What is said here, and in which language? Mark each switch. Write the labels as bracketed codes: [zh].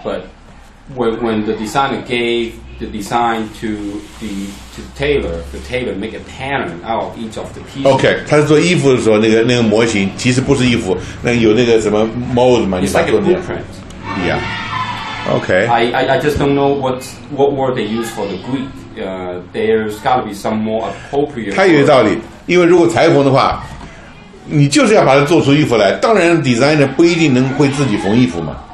[en] But when the designer gave the design to the tailor, the tailor make a pattern out of each of the pieces. Okay, [zh] 他是做衣服的时候，那个模型其实不是衣服，那有那个什么 mold 嘛，你把它做掉。 [en] Yeah. Okay. I just don't know what word they use for the Greek. There's got to be some more appropriate. [zh] 他有道理，因为如果裁缝的话，你就是要把它做出衣服来。当然 ，designer 不一定能会自己缝衣服嘛。